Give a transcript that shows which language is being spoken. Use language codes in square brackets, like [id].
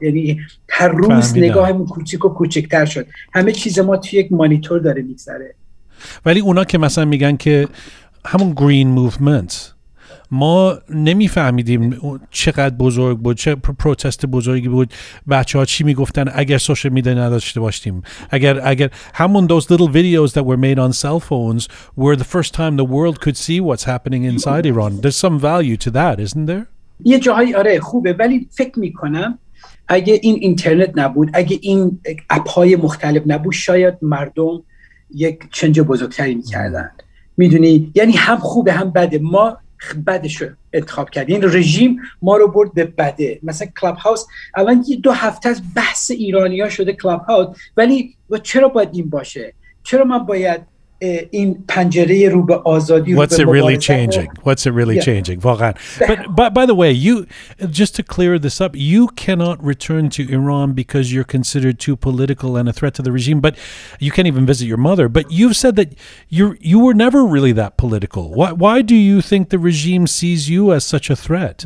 [fa] یعنی هر روز نگاهمون کوچیک و کوچکتر شد. همه چیز ما توی یک مانیتور داره میگذره. ولی اونا که مثلا میگن که همون green movement، ما نمی فهمیدیم چقدر بزرگ بود، چه پروتست بزرگی بود، بچه ها چی می گفتن اگر سوشل میدیا نداشته باشتیم. اگر همون [en] those little videos that were made on cell phones were the first time the world could see what's happening inside Iran. There's some value to that, isn't there? [fa] یه جایی آره خوبه، ولی فکر می کنم اگه این اینترنت نبود، اگه این اپ‌های مختلف نبود، شاید مردم یک چنج بزرگتری می کردن. میدونی؟ یعنی هم خوبه هم بده. ما بدش رو انتخاب کردیم، این رژیم ما رو برد به بده. مثلا کلاب هاوس الان یه دو هفته از بحث ایرانی ها شده کلاب هاوس، ولی چرا باید این باشه؟ چرا من باید این پنجره رو به آزادی رو [en] What's it really changing? What's it really changing? [fa] واقعا. [en] But by the way, you just to clear this up, you cannot return to Iran because you're considered too political and a threat to the regime. But you can't even visit your mother. But you've said that you were never really that political. Why do you think the regime sees you as such a threat?